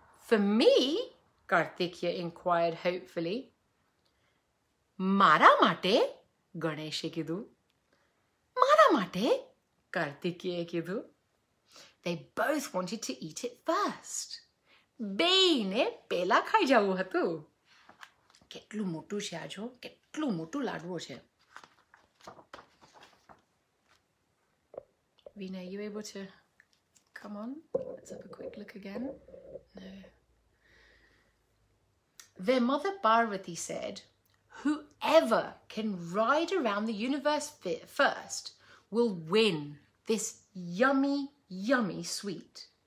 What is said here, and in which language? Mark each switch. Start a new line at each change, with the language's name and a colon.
English: For me? Kartikeya inquired hopefully.
Gujarati: મારા માટે, ગણેશે કીધું. મારા માટે, કાર્તિકેયે કીધું.
English: They both wanted to eat it first.
Gujarati: બેયને પેલા ખાઈ જવું હતું. કેટલું મોટું છે આ જો, કેટલું મોટું લાડવો છે.
English: Reena, are you able to come on? Let's have a quick look again. No. Their mother Parvati said, whoever can ride around the universe first will win this yummy, yummy sweet.